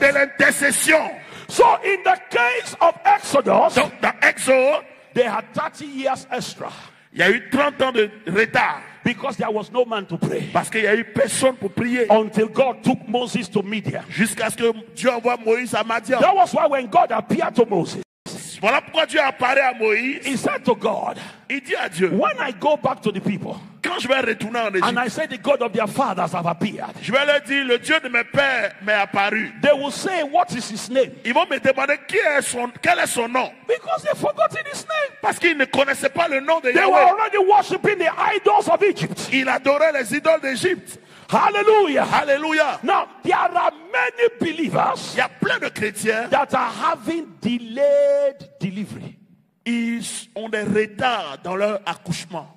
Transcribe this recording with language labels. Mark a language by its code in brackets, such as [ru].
[fr] De l'intercession. [en] So in the case of Exodus. [fr] Donc dans Exode, [en] they had 30 years extra. [fr] Il y a eu 30 ans de retard. [en] Because there was no man to pray. [fr] Parce qu'il y a eu personne pour prier. [en] Until God took Moses to Midian. [fr] Jusqu'à ce que Dieu envoie Moïse à Midian. [en] That was why when God appeared to Moses. [fr] Voilà pourquoi Dieu apparaît à Moïse. [en] He said to God. [fr] Il dit à Dieu. [en] When I go back to the people. [fr] Quand je vais retourner en Égypte. [en] And I said the God of their fathers have appeared. [fr] Je vais leur dire le Dieu de mes pères m'est apparu. [en] They will say what is his name. [fr] Ils vont me demander quel est son nom. [en] Because they forgot his name. [fr] Parce qu'ils ne connaissaient pas le nom de Yahweh. [en] They were already worshiping the idols of Egypt. [fr] Ils adoraient les idoles d'Égypte. [en] Hallelujah. [fr] Hallelujah. [en] Now there are many believers. [fr] Il y a plein de chrétiens. [en] That are having delayed delivery. [fr] Ils ont des retards dans leur accouchement.